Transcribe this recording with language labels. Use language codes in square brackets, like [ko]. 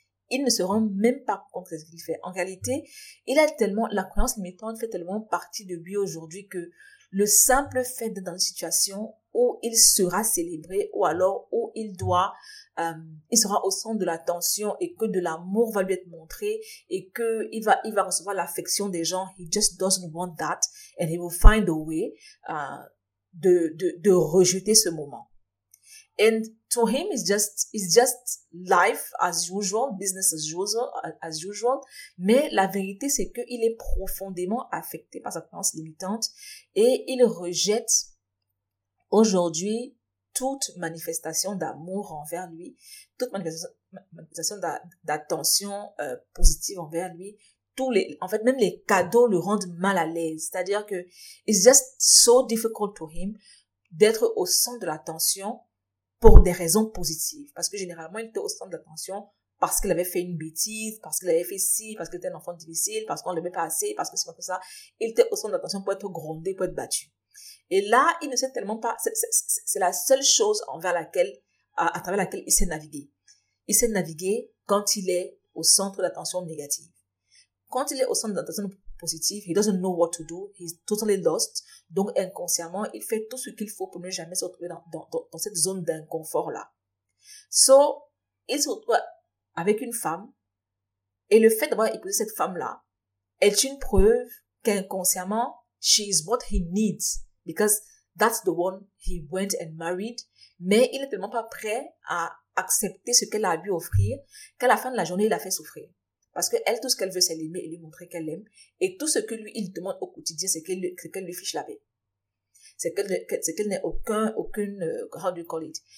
[fr] Il ne se rend même pas compte que c'est ce qu'il fait. En réalité, il a tellement, la croyance limitante fait tellement partie de lui aujourd'hui que le simple fait d'être dans une situation où il sera célébré ou alors où il doit, il sera au centre de l'attention et que de l'amour va lui être montré et que il va recevoir l'affection des gens. [en] He just doesn't want that and he will find a way [fr] de rejeter ce moment. [en] And to him it's just life as usual, business as usual. [fr] Mais la vérité c'est que il est profondément affecté par sa croyance limitante et il rejette aujourd'hui toute manifestation d'amour envers lui, toute manifestation d'attention positive envers lui, même les cadeaux le rendent mal à l'aise. C'est-à-dire que [en] it's just so difficult to him [fr] d'être au centre de l'attention pour des raisons positives. Parce que généralement, il était au centre d'attention parce qu'il avait fait une bêtise, parce qu'il avait fait ci, parce qu'il était un enfant difficile, parce qu'on l'aimait pas assez, parce que c'est pas comme ça. Il était au centre d'attention pour être grondé, pour être battu. Et là, il ne sait tellement pas, c'est la seule chose envers laquelle, à travers laquelle il sait naviguer. Il sait naviguer quand il est au centre d'attention négative. Quand il est au centre d'attention positive, [en] he doesn't know what to do, he's totally lost. [fr] Donc, inconsciemment, il fait tout ce qu'il faut pour ne jamais se retrouver dans cette zone d'inconfort-là. So, il se retrouve avec une femme, et le fait d'avoir épousé cette femme-là est une preuve qu'inconsciemment, [en] she is what he needs. Because that's the one he went and married. [fr] Mais il n'est tellement pas prêt à accepter ce qu'elle a à lui offrir qu'à la fin de la journée, il l'a fait souffrir. Parce qu'elle, tout ce qu'elle veut, c'est l'aimer et lui montrer qu'elle l'aime. Et tout ce que lui, il demande au quotidien, c'est qu'elle lui fiche la paix. C'est qu'elle n'ait aucune, [en] how do you call it?